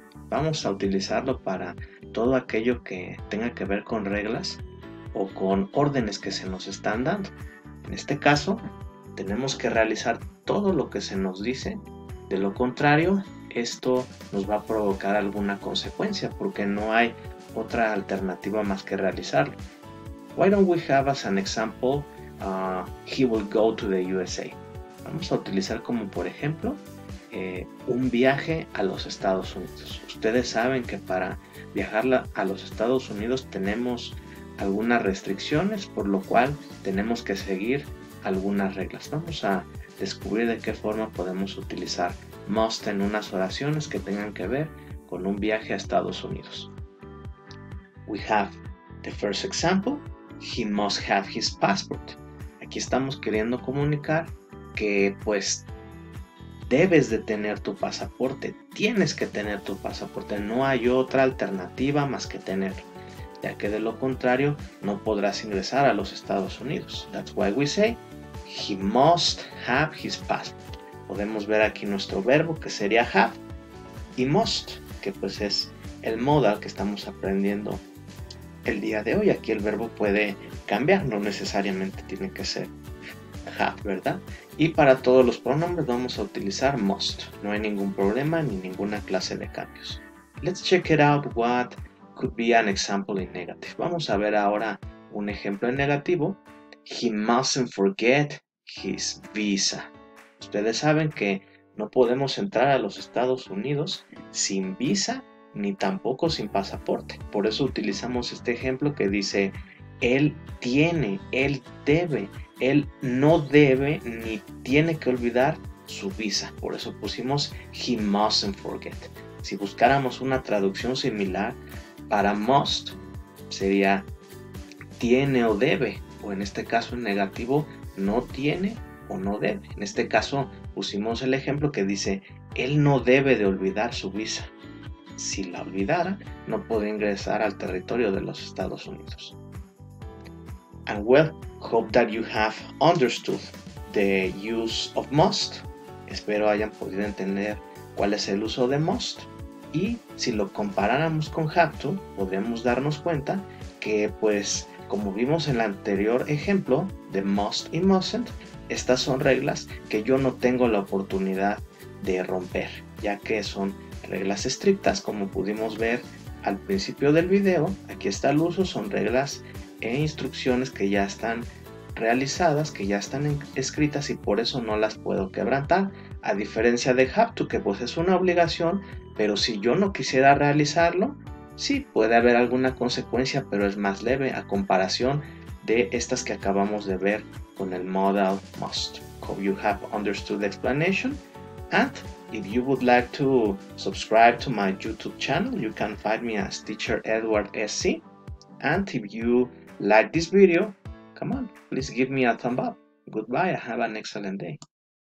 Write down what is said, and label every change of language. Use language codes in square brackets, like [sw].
[es] Vamos a utilizarlo para todo aquello que tenga que ver con reglas o con órdenes que se nos están dando. En este caso, tenemos que realizar todo lo que se nos dice. De lo contrario, esto nos va a provocar alguna consecuencia porque no hay otra alternativa más que realizarlo. [en] Why don't we have as an example, he will go to the USA. [es] Vamos a utilizar como por ejemplo, un viaje a los Estados Unidos. Ustedes saben que para viajar a los Estados Unidos tenemos algunas restricciones, por lo cual tenemos que seguir algunas reglas. Vamos a descubrir de qué forma podemos utilizar must en unas oraciones que tengan que ver con un viaje a Estados Unidos. [en] We have the first example. He must have his passport. [es] Aquí estamos queriendo comunicar que pues debes de tener tu pasaporte, tienes que tener tu pasaporte, no hay otra alternativa más que tenerlo, ya que de lo contrario no podrás ingresar a los Estados Unidos. [en] That's why we say he must have his passport. [es] Podemos ver aquí nuestro verbo que sería have y must, que pues es el modal que estamos aprendiendo el día de hoy. Aquí el verbo puede cambiar, no necesariamente tiene que ser have, ¿verdad? Y para todos los pronombres vamos a utilizar must. No hay ningún problema ni ninguna clase de cambios. [en] Let's check it out what could be an example in negative. [es] Vamos a ver ahora un ejemplo en negativo. [en] He mustn't forget his visa. [es] Ustedes saben que no podemos entrar a los Estados Unidos sin visa ni tampoco sin pasaporte. Por eso utilizamos este ejemplo que dice él tiene, él debe. Él no debe ni tiene que olvidar su visa. Por eso pusimos [en] he mustn't forget. [es] Si buscáramos una traducción similar para must, sería tiene o debe. O en este caso en negativo, no tiene o no debe. En este caso pusimos el ejemplo que dice él no debe de olvidar su visa. Si la olvidara, no podría ingresar al territorio de los Estados Unidos. [en] And well, hope that you have understood the use of must. [es] Espero hayan podido entender cuál es el uso de must. Y si lo comparáramos con have to, podríamos darnos cuenta que, pues, como vimos en el anterior ejemplo de must y mustn't, estas son reglas que yo no tengo la oportunidad de romper, ya que son reglas estrictas, como pudimos ver al principio del video. Aquí está el uso, son reglas e instrucciones que ya están realizadas, que ya están escritas y por eso no las puedo quebrantar, a diferencia de have to, que pues es una obligación, pero si yo no quisiera realizarlo, sí, puede haber alguna consecuencia, pero es más leve a comparación de estas que acabamos de ver con el modal must. [en] Hope you have understood the explanation, and if you would like to subscribe to my YouTube channel, you can find me as Teacher Edward SC. And if you like this video, come on, please give me a thumb up. Goodbye, have an excellent day.